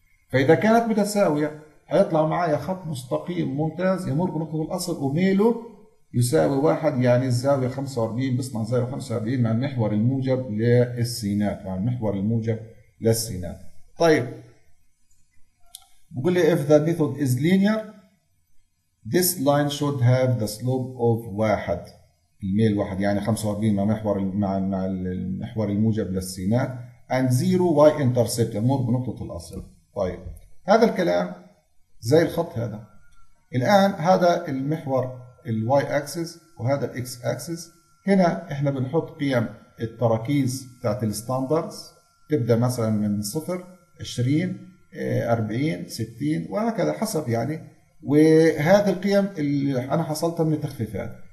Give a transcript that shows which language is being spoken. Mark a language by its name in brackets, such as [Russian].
[Arabic] فاذا كانت متساويه هيطلع معايا خط مستقيم ممتاز يمر بنقطه الاصل وميله يساوي 1، يعني الزاويه 45 بيصنع زاويه 45 مع المحور الموجب للسينات، مع المحور الموجب للسينات. طيب بقول لي [English] if the method is linear this line should have the slope of 1، [Arabic] الميل 1 يعني 45 مع محور مع المحور الموجب للسينات، [English] and 0 y intercept [Arabic] يمر بنقطه الاصل. طيب هذا الكلام زي الخط هذا. الان هذا المحور الواي اكسس وهذا الاكس اكسس. هنا احنا بنحط قيم التراكيز بتاعت الستاندردز، تبدا مثلا من 0 20 40 60 وهكذا حسب يعني، وهذه القيم اللي انا حصلتها من التخفيفات.